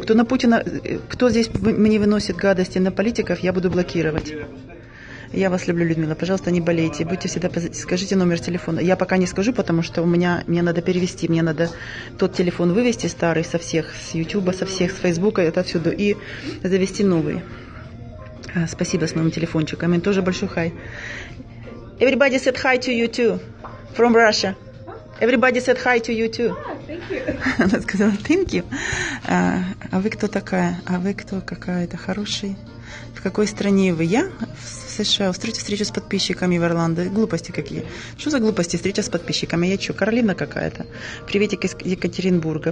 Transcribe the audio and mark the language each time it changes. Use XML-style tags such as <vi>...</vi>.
<ru>Кто на Путина, кто здесь мне выносит гадости на политиков, я буду блокировать. Я вас люблю, Людмила. Пожалуйста, не болейте. Будьте всегда... Скажите номер телефона. Я пока не скажу, потому что мне надо перевести. Мне надо тот телефон вывести старый со всех, с Ютуба, со всех, с Фейсбука, отовсюду, и завести новый. Спасибо с моим телефончиком. И тоже большой хай.</ru> <en>Everybody said hi to you too from Russia. Everybody said hi to you too. Thank you.</en> <ru>Она сказала</ru> <en>thank you.</en> <ru>А вы кто такая? А вы кто? Какая-то хороший. В какой стране вы? Я? В США. Устроите встречу с подписчиками в Орландо. Глупости какие. Что за глупости? Встреча с подписчиками. Я что, Каролина какая-то? Приветик из Екатеринбурга.</ru>